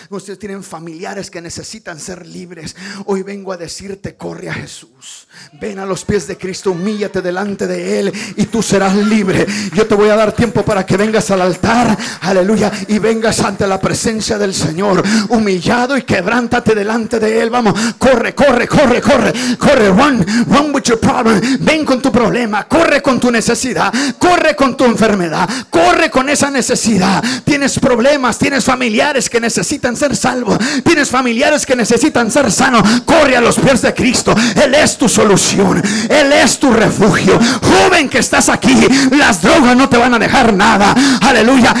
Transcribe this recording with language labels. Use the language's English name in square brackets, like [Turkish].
[Spanish] Ustedes tienen familiares que necesitan ser libres. Hoy vengo a decirte, corre a Jesús. Ven a los pies de Cristo, humíllate delante de Él y tú serás libre. Yo te voy a dar tiempo para que vengas al altar, aleluya, y vengas ante la presencia del Señor. Humillado y quebrántate delante de Él, vamos. Corre, corre, corre, corre, corre, [English] run, run with your problem. [Spanish] Ven con tu problema, corre con tu necesidad, corre con tu enfermedad. Corre con esa necesidad. Tienes problemas, tienes familiares que necesitan ser salvos. Tienes familiares que necesitan ser sanos. Corre a los pies de Cristo. Él es tu solución. Él es tu refugio. Joven que estás aquí, las drogas no te van a dejar nada. Aleluya.